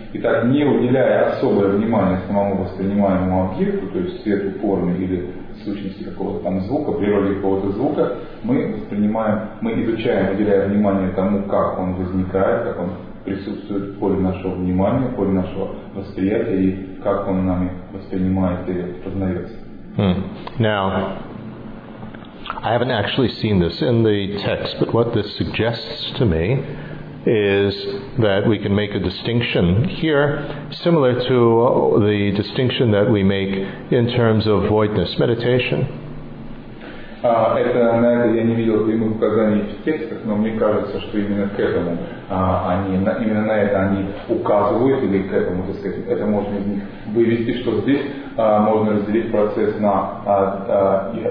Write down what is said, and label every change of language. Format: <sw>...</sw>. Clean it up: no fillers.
<ru>Итак, не уделяя особое внимание самому воспринимаемому объекту, то есть свету, форме или сущности какого-то там звука, природе какого-то звука, мы изучаем, уделяя внимание тому, как он возникает, как он присутствует в поле нашего внимания, в поле нашего восприятия, и как он нами воспринимается и познается.</ru> <en>Now, I haven't actually seen this in the text, but what this suggests to me is that we can make a distinction here, similar to the distinction that we make in terms of voidness meditation.</en> <ru>На это я не видел прямых указаний в текстах, но мне кажется, что именно к этому именно на это они указывают, или к этому, так сказать, это можно из них вывести, что здесь можно разделить процесс на</ru>